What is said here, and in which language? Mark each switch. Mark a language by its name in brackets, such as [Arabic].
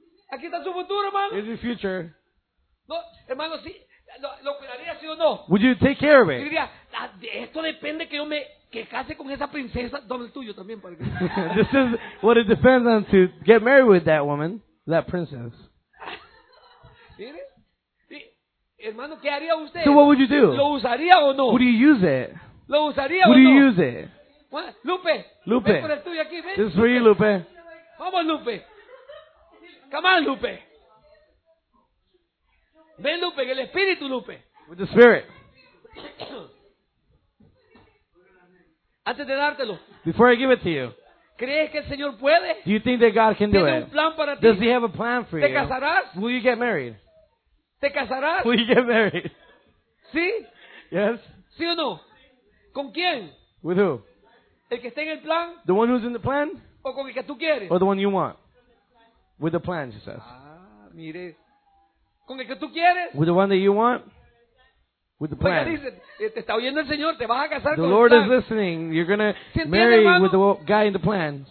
[Spanish] Aquí está su futuro, hermano. [English] Here's your future. [Spanish] No, hermano, sí. ¿Lo cuidaría, sí o no? [English] Would you take care of it? [Spanish] Y diría, esto depende que yo me que case con esa princesa. Dame el tuyo también. Para que... [English] This is what it depends on to get married with that woman, that princess. [Spanish] Mire. Hermano, ¿qué haría usted? [English] So what would you do? [Spanish] ¿Lo usaría o no? [English] Would you use it? [Spanish] ¿Lo usaría [English] would [Spanish] o no? [English] Would you use it? [Spanish] Lupe. [English] Lupe. [Spanish] Ven por el tuyo aquí, ven. [English] This is for you, Lupe. [Spanish] Vamos, Lupe. [English] Come on, Lupe. [Spanish] Ven, Lupe, el Espíritu, Lupe. [English] With the Spirit. [Spanish] Antes de dártelo. [English] Before I give it to you. [Spanish] ¿Crees que el Señor puede? [English] Do you think that God can do it? [Spanish] ¿Tiene un plan para ti? [English] Does he have a plan for you? [Spanish] ¿Te casarás? [English] Will you get married? [Spanish] ¿Te casarás? [English] Will you get married? [Spanish] ¿Sí? [English] Yes. [Spanish] ¿Sí o no? ¿Con quién? [English] With who? [Spanish] ¿El que está en el plan? [English] The one who's in the plan? [Spanish] ¿O con el que tú quieres? [English] Or the one you want? With the plan, she says. [Spanish] Ah, mire. ¿Con el que tú quieres? [English] With the one that you want? With the plan. [Spanish] Te está oyendo el Señor, te vas a casar con él. [English] The Lord is listening. You're going to marry with the guy in the plan.